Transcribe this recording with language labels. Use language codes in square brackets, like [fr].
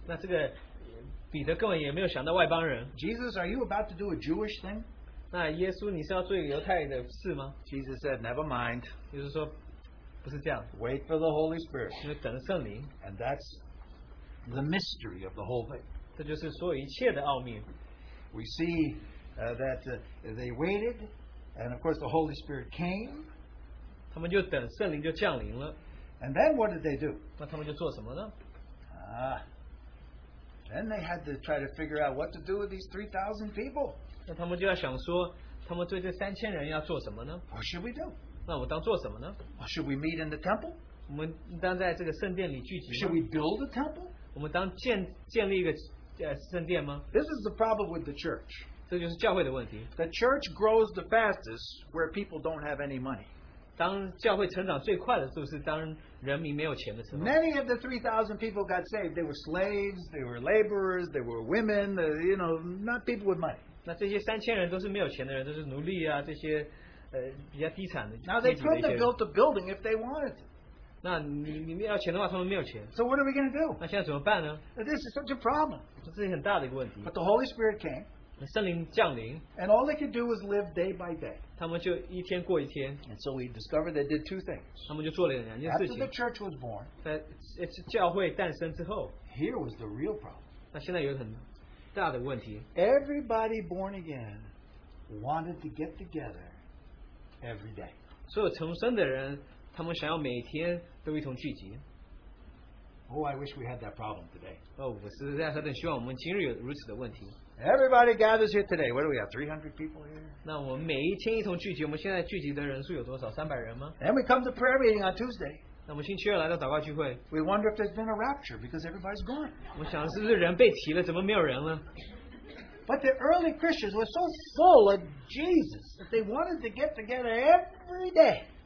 [zh] 那这个彼得根本也没有想到外邦人。 [en] Jesus, are you about to do a Jewish thing? [zh] 那耶稣你是要做一个犹太的事吗? [en] Jesus said, never mind. [zh] 耶稣说, [en] wait for the Holy Spirit. [zh] 因为等圣灵, [en] and that's the mystery of the whole thing. [zh] 这就是所有一切的奥秘。 [en] We see that they waited, and of course the Holy Spirit came. [zh] 他们就等圣灵就降临了。 And [en] then what did they do? [zh] 那他们就做什么呢? [en] Then they had to try to figure out what to do with these 3,000 people. [zh] 那他们就要想说，他们对这3,000人要做什么呢? [en] What should we do? [zh] 那我当做什么呢? [en] Should we meet in the temple? [zh] 我们当在这个圣殿里聚集吗? [en] Should we build a temple? [zh] 我们当建立一个圣殿吗? [en] This is the problem with the church. [zh] 这就是教会的问题。 [en] The church grows the fastest where people don't have any money. [zh] 当教会成长最快的就是当人民没有钱的时候。 [en] Many of the 3,000 people got saved. They were slaves, they were laborers, they were women, you know, not people with money. [zh] 那这些3,000人都是没有钱的人,都是奴隶啊,这些 [en] Now they couldn't have built a building if they wanted to. [zh] 那你们要钱的话，他们没有钱。 [en] So what are we going to do? [zh] 那现在怎么办呢? [en] This is such a problem. [zh] 这是很大的一个问题。 [en] But the Holy Spirit came. [zh] 圣灵降临。 [en] And all they could do was live day by day. [zh] 他们就一天过一天。 [en] And so we discovered they did two things. [zh] 他们就做了两件事情。 [en] After the church was born. [zh] 在教会诞生之后。 [en] here was the real problem. [zh] 那现在有很大的问题, [en] everybody born again wanted to get together every day. [zh] 所有重生的人, [en] oh, I wish we had that problem today. Everybody gathers here today. What do we have? 300 people here? [zh] 那我们每一天一同聚集,我们现在聚集的人数有多少? 300人吗? [en] Then we come to prayer meeting on Tuesday. [zh] 那我们星期二来到祷告聚会, [en] we wonder if there's been a rapture because everybody's gone. [zh] 我想是不是人被提了,怎么没有人了? [en] But the early Christians were so full of Jesus that they wanted to get together every day.